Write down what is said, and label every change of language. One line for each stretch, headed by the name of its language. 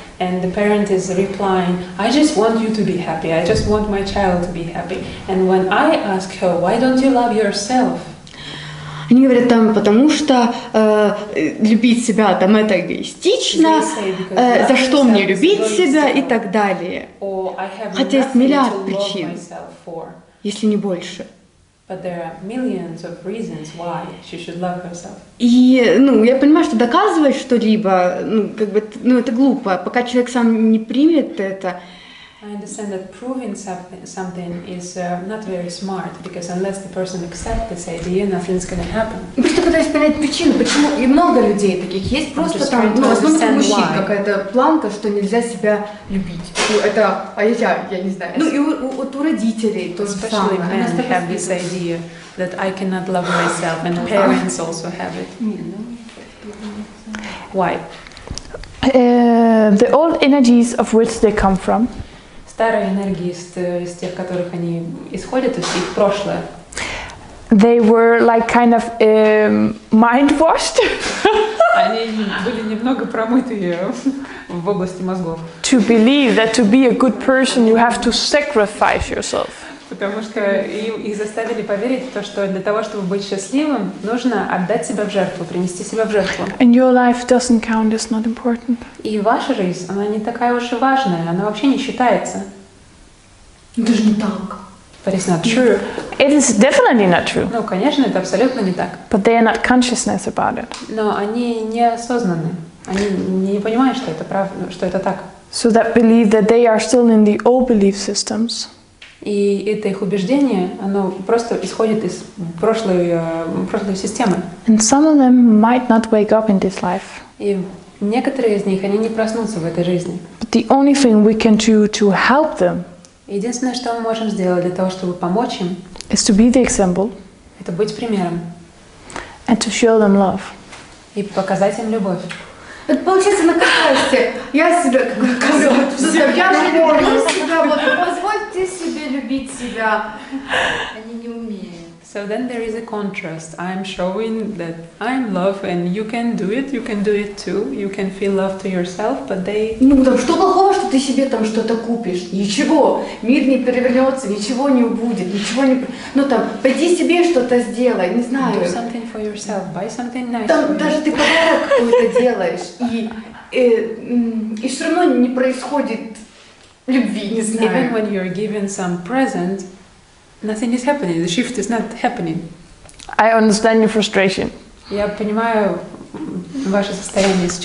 English: And the parent is replying, I just want you to be happy. I just want my child to be happy. And when I ask her, why don't you love yourself?
Russian: Они говорят там, потому что любить себя там это эгоистично, за что мне любить себя и так далее. Хотя есть миллиард причин, если не больше.
English: But there are millions of reasons why she should love herself.
Russian: И, ну, я понимаю, что доказывать что-либо, ну, как бы, ну, это глупо. Пока человек сам не примет это.
English: I understand that proving something is not very smart, because unless the person accepts this idea, nothing's going to happen.
Russian: Просто пытаюсь понять причину, почему, и много людей таких есть, просто там, ну, в основном мужчин какая-то планка, что нельзя себя любить. Ну, это, а я не знаю. Ну, и вот у родителей то же самое.
English: Especially men have this idea that I cannot love myself, and parents also have it. Why? The old energies of which they come from.
Russian: Старые энергии из тех, которых они исходят, из их прошлое.
English: They were like kind of mind-washed.
Russian: Они были немного промытые в области мозгов.
English: To believe that to be a good person you have to sacrifice yourself.
Russian: Потому что их заставили поверить в то, что для того, чтобы быть счастливым, нужно отдать себя в жертву, принести себя в жертву.
English: And your life doesn't count, it's not important.
Russian: И ваша жизнь, она не такая уж и важная, она вообще не считается. Это же не так.
English: But it's not true. It is definitely not true.
Russian: Ну, конечно, это абсолютно не так.
English: But they are not consciousness about it.
Russian: Но они не осознаны. Они не понимают, что это правда, что это так.
English: So that belief that they are still in the old belief systems.
Russian: И это их убеждение, оно просто исходит из прошлой системы.
English: And some of them might not wake up in this life.
Russian: И некоторые из них, они не проснутся в этой жизни.
English: But the only thing we can do to help them.
Russian: Единственное, что мы можем сделать для того, чтобы помочь им.
English: Is to be the example.
Russian: Это быть примером.
English: And to show them love.
Russian: И показать им любовь. Вот получается на контрасте. Я себя как наказывают. Я же люблю себя. Вот позвольте себе любить себя. Они не умеют.
English: So then there is a contrast. I'm showing that I'm love and you can do it. You can do it too. You can feel love to yourself, but they...
Russian: Ну там что плохого, что ты себе там что-то купишь? Ничего. Мир не перевернется, ничего не будет, ничего не... Ну там, пойди себе что-то сделай, не знаю.
English: Do something for yourself. Buy something nice.
Russian: Там даже ты подарок какой-то делаешь, и все равно не происходит любви, не знаю.
English: Even when you're given some present, nothing is happening. The shift is not happening. I understand your frustration.
Russian: Я понимаю ваше состояние сейчас.